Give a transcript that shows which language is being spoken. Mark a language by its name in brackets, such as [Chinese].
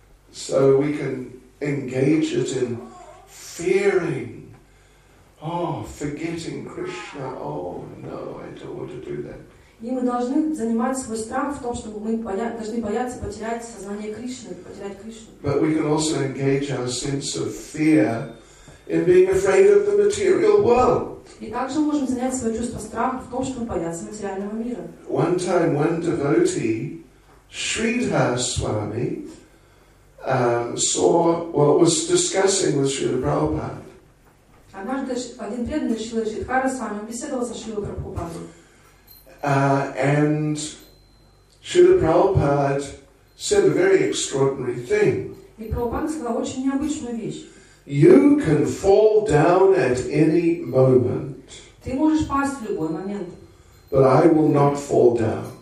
[English] So we can engage it in fearing. Oh, forgetting Krishna. Oh, no, I don't want to do that. [Russian] И мы должны занимать свой страх в том, чтобы мы должны бояться потерять сознание Кришны, потерять Кришну. [English] But we can also engage our sense of fear in being afraid of the material world. [Russian] И также можем занять свое чувство страха в том, чтобы бояться материального мира. [English] One time, one devotee, Sridhar Swami, saw what was discussing with Srila Prabhupada. [Russian] Однажды один преданный Шрила Шридхара Свами беседовал со Шрилой Прабхупадой. [English] And Srila Prabhupada said a very extraordinary thing. You can fall down at any moment. But I will not fall down.